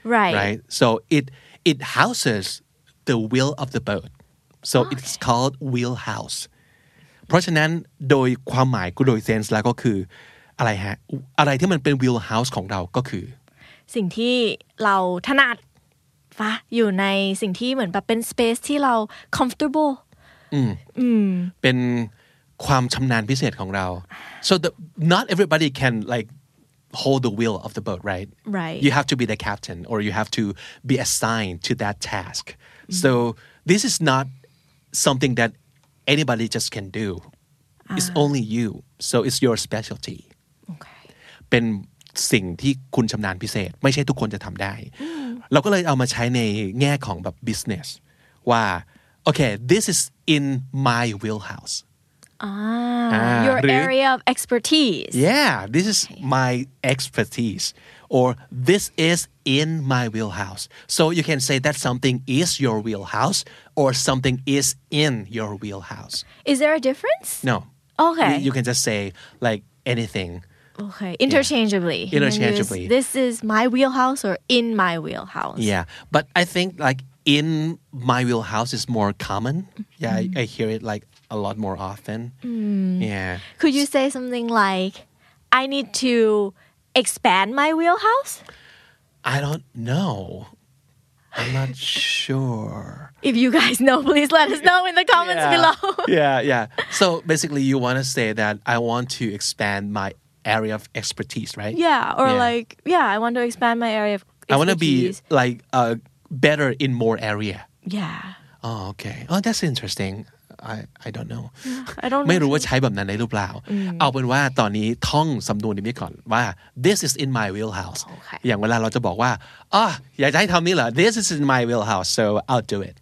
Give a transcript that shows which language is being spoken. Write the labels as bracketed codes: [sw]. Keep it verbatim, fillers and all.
[en] right right so it it houses the wheel of the boat so okay. it's called wheelhouse [th] เพราะฉะนั้นโดยความหมายกูโดยเซนส์แล้วก็คืออะไรฮะอะไรที่มันเป็น wheelhouse ของเราก็คือ สิ่งที่เราถนัดฟ้าอยู่ในสิ่งที่เหมือนแบบเป็น space ที่เรา comfortable อืม อืม เป็นความชำนาญพิเศษของเรา [en] so the, not everybody can like hold the wheel of the boat right right you have to be the captain or you have to be assigned to that task mm-hmm. so this is not something that anybody just can do uh. it's only you so it's your specialty okay [th] เป็นสิ่งที่คุณชำนาญพิเศษไม่ใช่ทุกคนจะทำได้ mm-hmm. เราก็เลยเอามาใช้ในแง่ของแบบ business ว่า [en] okay this is in my wheelhouse Ah, your area of expertise. Yeah, this is my expertise, or this is in my wheelhouse. So you can say that something is your wheelhouse, or something is in your wheelhouse. Is there a difference? No. Okay. You, you can just say like anything. Okay, interchangeably. Yeah. Interchangeably. This is my wheelhouse, or in my wheelhouse. Yeah, but I think like in my wheelhouse is more common. Yeah, mm-hmm. I, I hear it like. a lot more often mm. yeah could you say something like I need to expand my wheelhouse I don't know I'm not sure if you guys know please let us know in the comments yeah. below yeah yeah so basically you want to say that I want to expand my area of expertise right yeah or yeah. like yeah I want to expand my area of expertise I want to be like uh, better in more area yeah oh okay oh that's interesting I I don't know I don't [th] ไม่รู้ว่าใช้แบบนั้นได้หรือเปล่าเอาเป็นว่าตอนนี้ท่องสำนวนนี้ก่อนว่า [en] this is in my wheelhouse [th] อย่างเวลาเราจะบอกว่าอ๋ออยากจะให้ทำนี่เหรอ [en] this is in my wheelhouse so I'll do it